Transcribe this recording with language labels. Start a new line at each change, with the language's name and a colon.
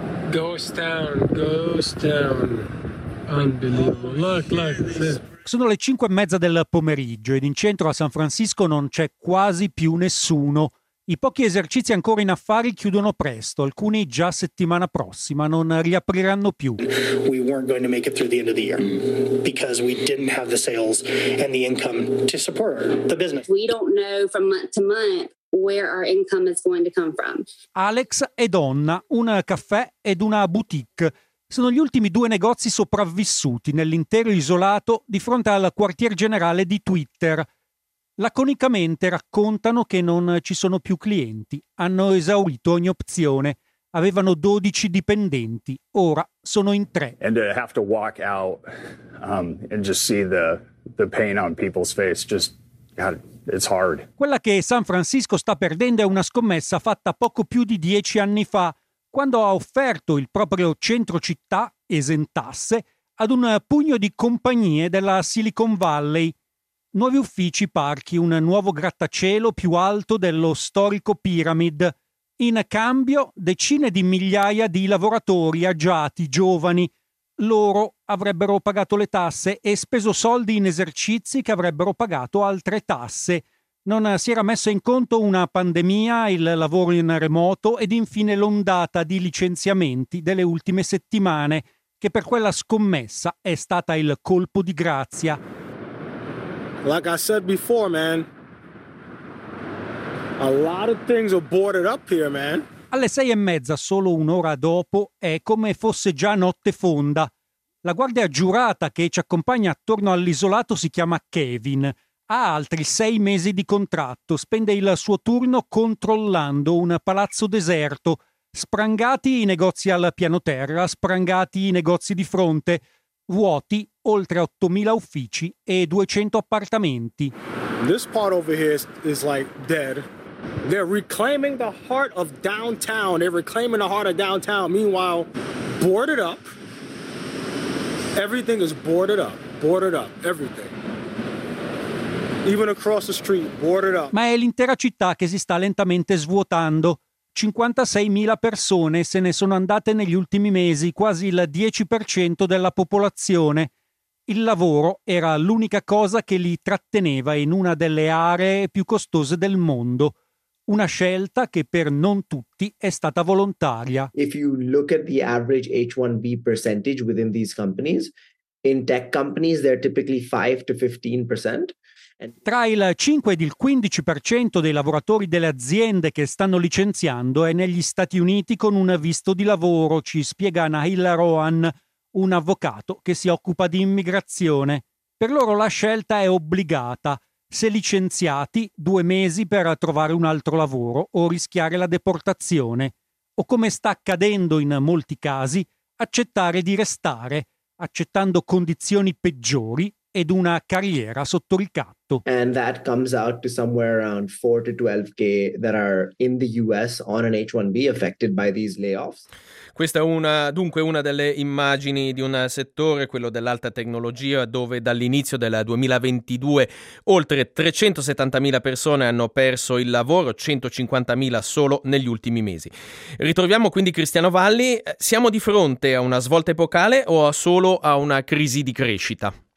English: Ghost town, ghost town. Unbelievable. Look.
Italian: Sono le 5:30 del pomeriggio ed in centro a San Francisco non c'è quasi più nessuno. I pochi esercizi ancora in affari chiudono presto, alcuni già settimana prossima non riapriranno più.
English: We weren't going to make it through the end of the year because we didn't have the sales and the income to support the business. We don't know from month to month where our income is going to come from.
Italian: Alex e Donna, un caffè ed una boutique, sono gli ultimi due negozi sopravvissuti nell'intero isolato di fronte al quartier generale di Twitter. Laconicamente raccontano che non ci sono più clienti, hanno esaurito ogni opzione. Avevano 12 dipendenti, ora sono in 3.
English: And to have to walk out and just see the pain on people's face, just God, it's hard.
Italian: Quella che San Francisco sta perdendo è una scommessa fatta poco più di 10 anni fa, quando ha offerto il proprio centro città, esentasse, ad un pugno di compagnie della Silicon Valley. Nuovi uffici, parchi, un nuovo grattacielo più alto dello storico Pyramid. In cambio, decine di migliaia di lavoratori agiati, giovani. Loro avrebbero pagato le tasse e speso soldi in esercizi che avrebbero pagato altre tasse. Non si era messo in conto una pandemia, il lavoro in remoto ed infine l'ondata di licenziamenti delle ultime settimane, che per quella scommessa è stata il colpo di grazia.
English: Like I said before, man, a lot of things are boarded up here, man.
Italian: Alle 6:30, solo un'ora dopo, è come fosse già notte fonda. La guardia giurata che ci accompagna attorno all'isolato si chiama Kevin. ha altri 6 mesi di contratto, spende il suo turno controllando un palazzo deserto, sprangati i negozi al piano terra, sprangati i negozi di fronte, vuoti oltre 8.000 uffici e 200 appartamenti.
English: This part over here is like dead. They're reclaiming the heart of downtown. They're reclaiming the heart of downtown. Meanwhile, boarded up. Everything is boarded up. Boarded up. Everything. Even across the street, boarded up.
Italian: Ma è l'intera città che si sta lentamente svuotando. 56.000 persone se ne sono andate negli ultimi mesi, quasi il 10% della popolazione. Il lavoro era l'unica cosa che li tratteneva in una delle aree più costose del mondo. Una scelta che per non tutti è stata volontaria.
English: If you look at the average H1B percentage within these companies, in tech companies they're typically 5 to 15%.
Italian: Tra il 5 ed il 15% dei lavoratori delle aziende che stanno licenziando è negli Stati Uniti con un visto di lavoro, ci spiega Nahil Rohan, un avvocato che si occupa di immigrazione. Per loro la scelta è obbligata. Se licenziati, 2 mesi per trovare un altro lavoro o rischiare la deportazione. O come sta accadendo in molti casi, accettare di restare, accettando condizioni peggiori ed una carriera sotto ricatto.
English: And that comes out to somewhere around 4 to 12k that are in the US on an H1B affected by these layoffs.
Italian: Questa è una delle immagini di un settore, quello dell'alta tecnologia, dove dall'inizio del 2022 oltre 370.000 persone hanno perso il lavoro, 150.000 solo negli ultimi mesi. Ritroviamo quindi Cristiano Valli. Siamo di fronte a una svolta epocale o solo a una crisi di crescita?